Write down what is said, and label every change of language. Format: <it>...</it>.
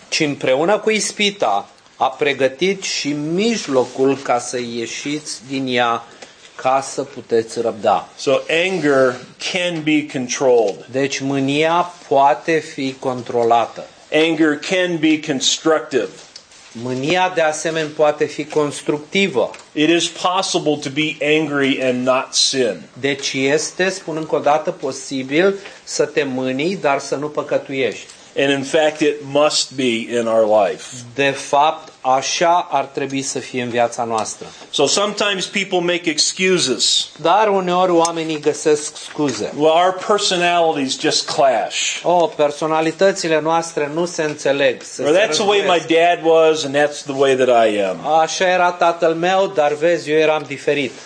<ro>Și împreună cu ispita a pregătit și mijlocul ca să ieșiți din ea ca să puteți răbda.</ro> <en>So anger can be controlled.</en> <ro>Deci mânia poate fi controlată.</ro> <en>Anger can be constructive.</en> <ro>Mânia de asemenea poate fi constructivă.</ro> <en>It is possible to be angry and not sin.</en> <ro>Deci este, spun încă o dată, posibil să te mânii, dar să nu păcătuiești.</ro> <en>And in fact it must be in our life.</en> <ro>De fapt, așa ar trebui să fie în viața noastră.</ro> <en>So sometimes people make excuses.</en> <ro>Dar uneori oamenii găsesc scuze.</ro> <en>Well, our personalities just clash.</en> <ro>Oh, personalitățile noastre nu se înțeleg. Se</ro> <en>well, that's the way my dad was and that's the way that I am.</en> <ro>Așa era tatăl meu, dar vezi, eu eram diferit.</ro>